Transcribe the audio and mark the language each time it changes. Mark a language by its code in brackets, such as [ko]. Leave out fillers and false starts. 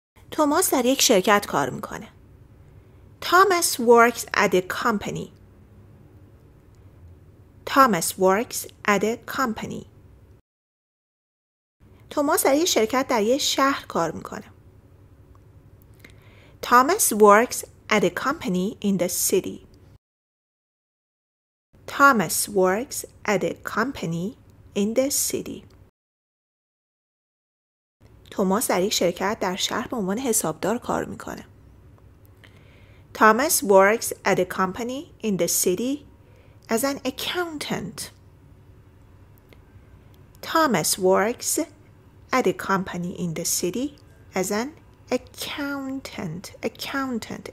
[fa] توماس در یک شرکت کار میکنه. [en] Thomas works at a company. Thomas works at a company. [fa] توماس در یک شرکت در یک شهر کار میکنه. [en] Thomas works at a company in the city. Thomas works at a company in the city. [fa] توماس در یک شرکت در شهر به عنوان حسابدار کار میکنه. [en] Thomas works at a company in the city as an accountant. Thomas works at a company in the city as an accountant. Accountant.